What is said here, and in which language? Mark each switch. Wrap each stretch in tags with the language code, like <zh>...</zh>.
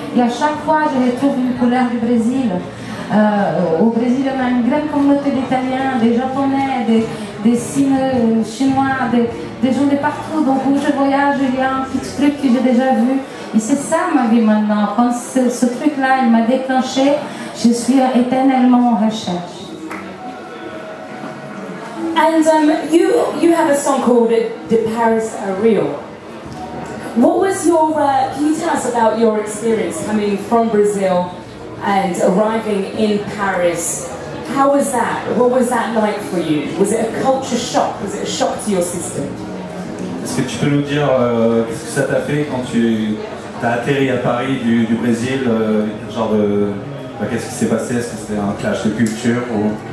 <fr>Et à chaque fois, je retrouve une couleur du Brésil. Au Brésil, on a une grande communauté d'Italiens, des Japonais, des Chinois, des gens de partout. Donc où je voyage, il y a un petit truc que j'ai déjà vu. Et c'est ça ma vie maintenant. Quand ce truc-là il m'a déclenché, je suis éternellement en recherche.</fr> <en>And you have a song called De Paris à Rio. What was your can you tell us about your experience coming from Brazil and arriving in Paris. How was that? What was that like for you? Was it a culture shock? Was it a shock to your system?</en> <fr>Est-ce que tu peux nous dire qu'est-ce que ça t'a fait quand tu as atterri à Paris du Brésil, genre de bah, qu'est-ce qui s'est passé? Est-ce que c'était un clash de culture ou...</fr>